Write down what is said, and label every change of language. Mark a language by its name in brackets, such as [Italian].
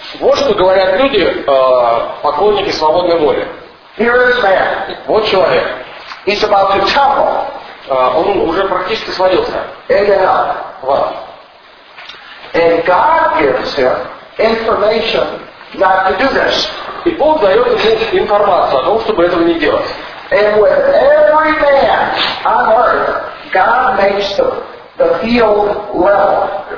[Russian] Вот что говорят люди, поклонники свободной воли. [English] Here is man. [Russian] Вот человек. [English] He's about to tumble. [Russian] Он уже практически свалился. [English] Into hell. [Russian] Вот. [English] And God gives him information not to do this. [Russian] И Бог дает ему информацию о том, чтобы этого не делать. [English] And with every man on earth, God makes the field level.